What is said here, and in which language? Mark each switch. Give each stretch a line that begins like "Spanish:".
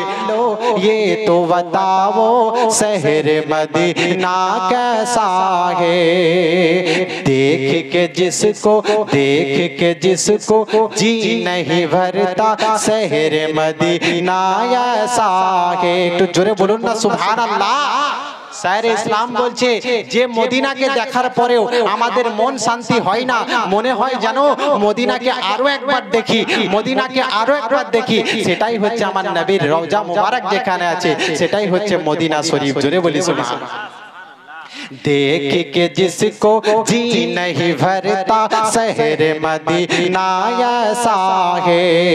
Hindi: लो ये तो बताओ शहर मदीना कैसा है। देख के जिसको, देख के जिसको जी नहीं भरता शहर मदीना ऐसा है। तू जोरे बोलो ना सुभान अल्लाह।
Bangla: স্যার ইসলাম বলছে যে মদিনাকে দেখার পরেও আমাদের মন শান্তি হয় না, মনে হয় জানো মদিনাকে আরো একবার দেখি, মদিনাকে আরো একবার দেখি। সেটাই হচ্ছে আমার নবীর রওজা মুবারক যেখানে আছে সেটাই হচ্ছে মদিনা শরীফ। জোরে বলি সুবহান।
Hindi: देख के जिसको जी नहीं भरता शहर मदीना ऐसा है।